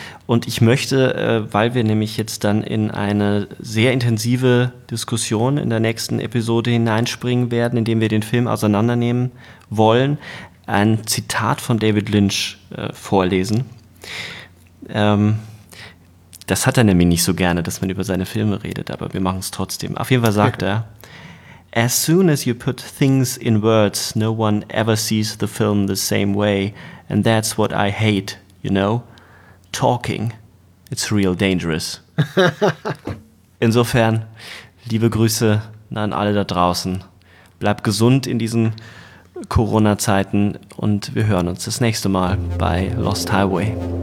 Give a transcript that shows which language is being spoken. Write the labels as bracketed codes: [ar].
[de] Und ich möchte, weil wir nämlich jetzt dann in eine sehr intensive Diskussion in der nächsten Episode hineinspringen werden, indem wir den Film auseinandernehmen wollen, ein Zitat von David Lynch vorlesen. Das hat er nämlich nicht so gerne, dass man über seine Filme redet, aber wir machen es trotzdem. Auf jeden Fall sagt er, [en] "As soon as you put things in words, no one ever sees the film the same way. And that's what I hate, you know? Talking, it's real dangerous." [de] Insofern, liebe Grüße an alle da draußen. Bleibt gesund in diesen Corona-Zeiten und wir hören uns das nächste Mal bei Lost Highway.